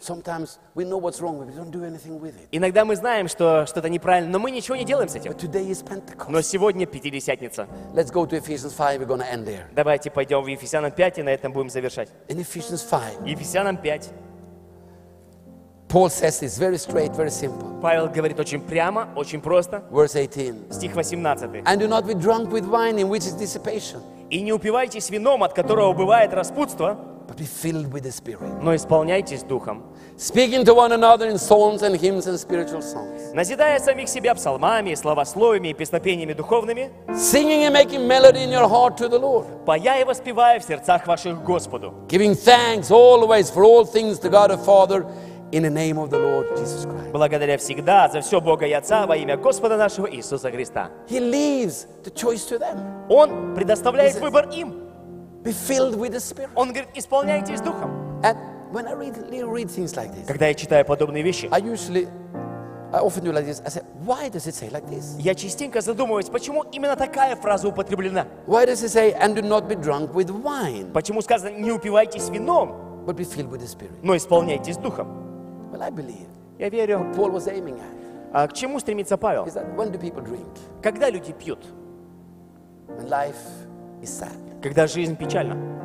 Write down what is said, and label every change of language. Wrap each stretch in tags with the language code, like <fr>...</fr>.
<en>Sometimes we know what's wrong, but we don't do anything with it.</en> <ru>Иногда мы знаем, что что-то неправильно, но мы ничего не делаем с этим.</ru> <en>But today is Pentecost.</en> <ru>Но сегодня Пятидесятница.</ru> <en>Let's go to Ephesians 5. We're going to end there.</en> <ru>Давайте пойдем в Ефесянам 5 и на этом будем завершать.</ru> <en>In Ephesians 5.</en> <ru>Ефесянам 5.</ru> <en>Paul says it's very straight, very simple.</en> <ru>Павел говорит очень прямо, очень просто.</ru> <en>Verse 18.</en> <ru>Стих 18.</ru> <en>And do not be drunk with wine, in which is dissipation.</en> <ru>И не упивайтесь вином, от которого бывает распутство.</ru> <en>But be filled with the Spirit.</en> <ru>Но исполняйтесь духом.</ru> <en>Speaking to one another in psalms and hymns and spiritual songs.</en> <ru>Назидая самих себя псалмами, словословиями и песнопениями духовными.</ru> <en>Singing and making melody in your heart to the Lord.</en> <ru>Поя и воспевая в сердцах ваших Господу.</ru> <en>Giving thanks always for all things to God the Father. In the name of the Lord Jesus Christ.</en> <ru>Благодаря всегда за все Бога и Отца во имя Господа нашего Иисуса Христа.</ru> <en>He leaves the choice to them.</en> <ru>Он предоставляет выбор им.</ru> <en>Be filled with the Spirit.</en> <ru>Он говорит, исполняйтесь духом.</ru> <en>And when I read things like this,</en> <ru>когда я читаю подобные вещи,</ru> <en>I often do like this. I say, why does it say like this?</en> <ru>Я частенько задумываюсь, почему именно такая фраза употреблена?</ru> <en>Why does it say, and do not be drunk with wine?</en> <ru>Почему сказано, не упивайтесь вином?</ru> <en>But be filled with the Spirit.</en> <ru>Но исполняйтесь духом.</ru> <en>Well, I believe.</en> <ru>Я верю.</ru> <en>What Paul was aiming at.</en> <ru>А к чему стремится Павел?</ru> <en>Is that when do people drink?</en> <ru>Когда люди пьют?</ru> <en>When life is sad.</en> <ru>Когда жизнь печальна?</ru>